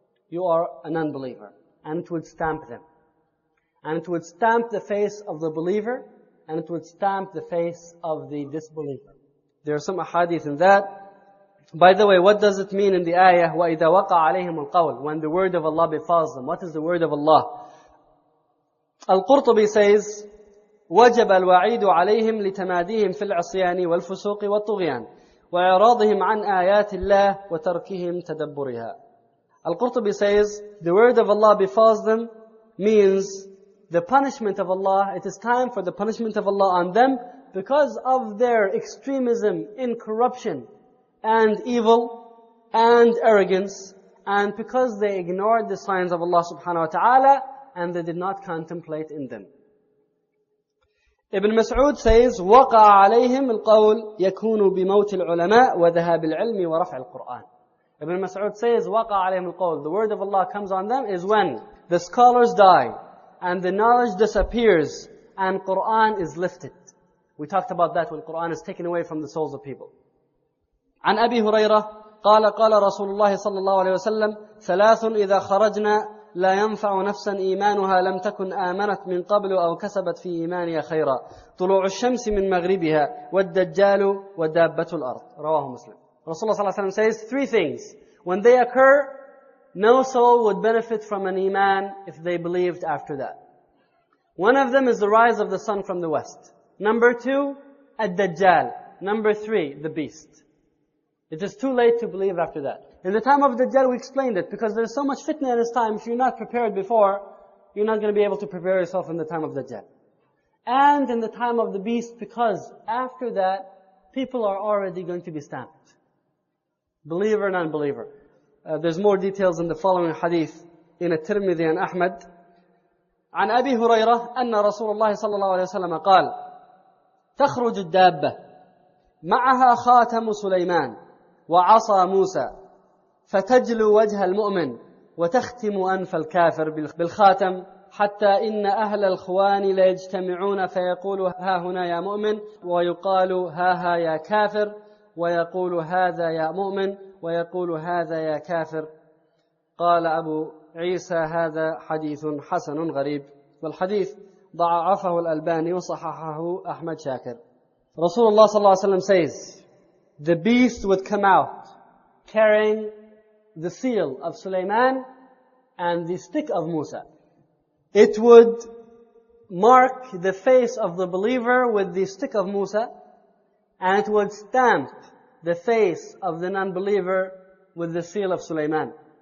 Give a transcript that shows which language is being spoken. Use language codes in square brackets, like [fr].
[en] You are an unbeliever. And it would stamp them. And it would stamp the face of the believer. And it would stamp the face of the disbeliever. There are some ahadith in that. By the way, what does it mean in the ayah, [ar] وَإِذَا وَقَعَ عَلَيْهِمُ الْقَوْلِ, [en] when the word of Allah befalls them? What is the word of Allah? [ar] Al-Qurtubi [en] says, [ar] وَجَبَ الْوَعِيدُ عَلَيْهِمْ لِتَمَادِيهِمْ فِي الْعَصِيَانِ وَالْفُسُوقِ وَالطُّغْيَانِ وَإِعْرَاضِهِمْ عَنْ آيَاتِ اللَّهِ وَتَرْكِهِمْ تَدَبُّرِهَا. [en] Al-Qurtubi says, the word of Allah befalls them means the punishment of Allah, it is time for the punishment of Allah on them because of their extremism in corruption and evil and arrogance, and because they ignored the signs of Allah subhanahu wa ta'ala and they did not contemplate in them. [ar] Ibn Mas'ud [en] says, [ar] وَقَعَ عَلَيْهِمْ الْقَوْلِ يَكُونُ بِمَوْتِ الْعُلَمَاءِ وَذَهَابِ الْعِلْمِ وَرَفْعِ الْقُرْآنِ. [en] Ibn Mas'ud says, [ar] وَقَعَ عَلَيْهِمْ الْقَوْلِ, [en] the word of Allah comes on them is when the scholars die and the knowledge disappears and Qur'an is lifted. We talked about that when Qur'an is taken away from the souls of people. [ar] عن أبي هريرة قال قال رسول الله صلى الله عليه وسلم ثلاث إذا خرجنا لا ينفع نفسا إيمانها لم تكن آمنت من قبل أو كسبت في إيمانها خيرا طلوع الشمس من مغربها والدجال ودابة الأرض. رواه مسلم. رسول الله صلى الله عليه وسلم [en] says three things. When they occur, no soul would benefit from an iman if they believed after that. One of them is the rise of the sun from the west. Number two, الدجال. Number three, the beast. It is too late to believe after that. In the time of Dajjal, we explained it, because there is so much fitna in this time, if you're not prepared before, you're not going to be able to prepare yourself in the time of Dajjal. And in the time of the beast, because after that, people are already going to be stamped. Believer, non-believer. There's more details in the following hadith, in At-Tirmidhi and Ahmad. [ar] عن أبي هريرة أن رسول الله صلى الله عليه وسلم قال تخرج الدابة معها خاتم سليمان وعصى موسى فتجلو وجه المؤمن وتختم أنف الكافر بالخاتم حتى إن أهل الخوان ليجتمعون فيقول ها هنا يا مؤمن ويقال ها ها يا كافر ويقول هذا يا مؤمن ويقول هذا يا كافر. قال أبو عيسى هذا حديث حسن غريب, والحديث ضعفه الألباني وصححه أحمد شاكر. رسول الله صلى الله عليه وسلم [en] says, the beast would come out carrying the seal of Sulaiman and the stick of Musa. It would mark the face of the believer with the stick of Musa, and it would stamp the face of the non-believer with the seal of Sulaiman.